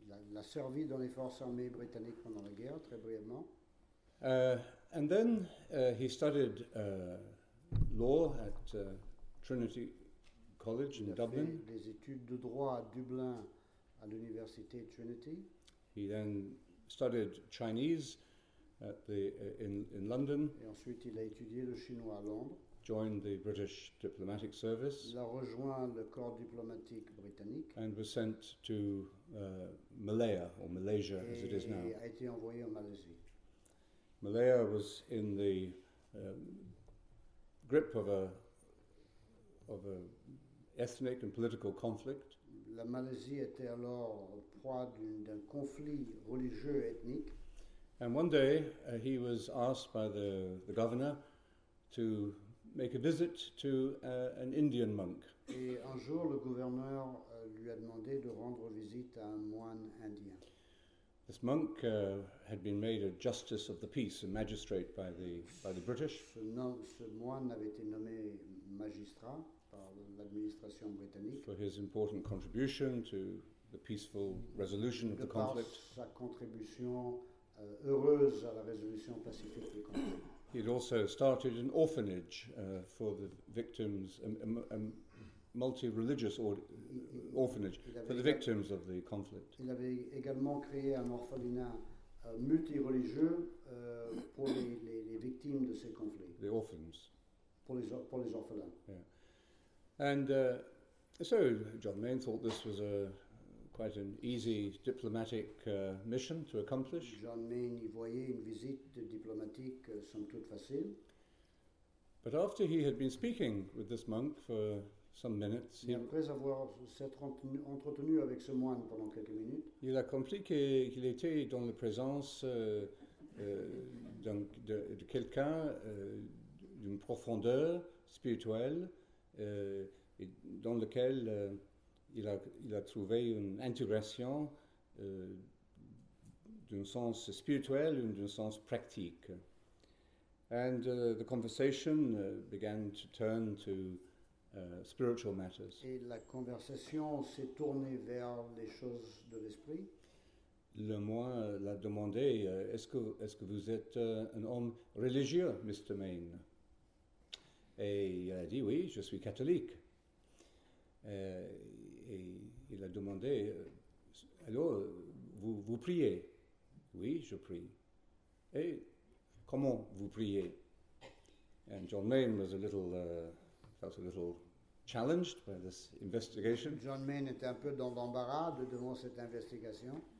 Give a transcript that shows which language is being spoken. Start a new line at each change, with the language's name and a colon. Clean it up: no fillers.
French: Il a servi dans les forces armées britanniques pendant la guerre, très brièvement.
English: And then he studied law at Trinity College in Dublin.
French: Il a fait des études de droit à Dublin à l'université Trinity.
English: He then studied Chinese at the in London.
French: Et ensuite, il a étudié le chinois à Londres.
English: Joined the British diplomatic service.
French: Il a rejoint le corps diplomatique britannique.
English: And was sent to Malaya or Malaysia
French: et
English: as it is now.
French: Et a été envoyé en Malaisie.
English: Malaya was in the grip of a ethnic and political conflict.
French: La Malaisie était alors proie d'un conflit religieux ethnique.
English: And one day he was asked by the governor to make a visit to an Indian monk.
French: Et un jour le gouverneur lui a demandé de rendre visite à un moine indien.
English: This monk had been made a justice of the peace, a magistrate by the British.
French: Ce moine avait été nommé magistrat par l'administration britannique.
English: For his important contribution to the peaceful resolution of the conflict.
French: Sa contribution heureuse à la résolution pacifique du conflit.
English: He had also started an orphanage for the victims, a multi-religious orphanage for the victims of the conflict.
French: Il avait également créé un orphelinat multi-religieux pour les victimes de ces conflits.
English: The orphans.
French: Pour les orphelins.
English: Yeah. And so John Mayne thought this was quite an easy diplomatic mission to accomplish.
French: John Mayne y voyait une visite diplomatique somme toute facile.
English: But after he had been speaking with this monk for some minutes,
French: et après avoir entretenu avec ce moine pendant quelques minutes, il a compris qu'il était dans la présence de quelqu'un d'une profondeur spirituelle et dans lequel il a trouvé une intégration d'un sens spirituel et d'un sens pratique.
English: And the conversation began to turn to spiritual matters.
French: Et la conversation s'est tournée vers les choses de l'esprit. Le moine l'a demandé, est-ce que vous êtes un homme religieux, Mr. Mayne? Et il a dit, oui, je suis catholique. Et il a demandé, alors, vous priez? Oui, je prie. Et comment vous priez?
English: And John Mayne was felt a little challenged by this investigation.
French: John Mayne était un peu dans l'embarras devant cette investigation.